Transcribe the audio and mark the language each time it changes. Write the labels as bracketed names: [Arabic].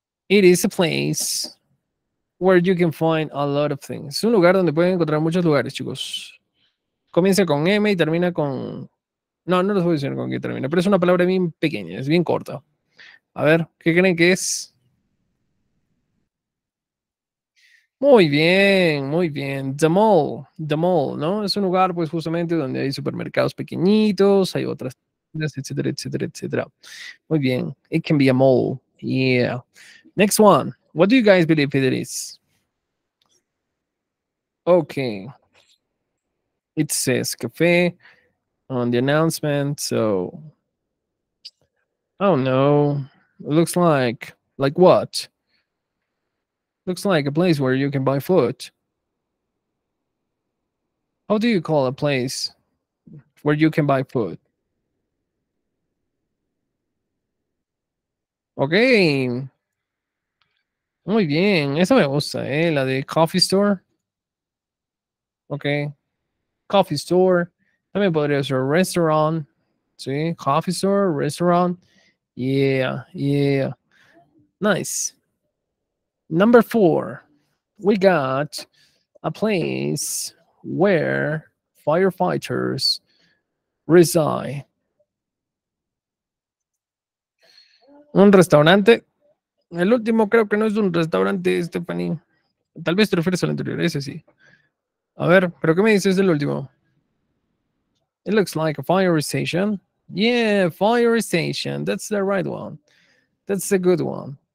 [English] It is a place where you can find a lot of things. [Spanish] Es un lugar donde pueden encontrar muchos lugares, chicos. Comienza con M y termina con... No les voy a decir con qué termina, pero es una palabra bien pequeña, es bien corta. A ver, ¿qué creen que es? Muy bien, the mall, ¿no? Es un lugar, pues, justamente donde hay supermercados pequeñitos, hay otras tiendas, etcétera, etcétera, etcétera. Muy bien, [English] it can be a mall, yeah. Next one, what do you guys believe it is? Okay, it says café on the announcement, so, I don't know, it looks like what? Looks like a place where you can buy food. How do you call a place where you can buy food? [Spanish] Okay. Muy bien. Esa me gusta, la de coffee store. Okay. Coffee store. También podría ser restaurant. Sí, coffee store, restaurant. [English] Yeah. Nice. Number four, we got a place where firefighters reside. [Spanish] Un restaurante. El último creo que no es un restaurante, Stephanie. Tal vez te refieres al anterior, ese sí. A ver, ¿pero qué me dices del último? [English] It looks like a fire station. Yeah, fire station. That's the right one. That's a good one.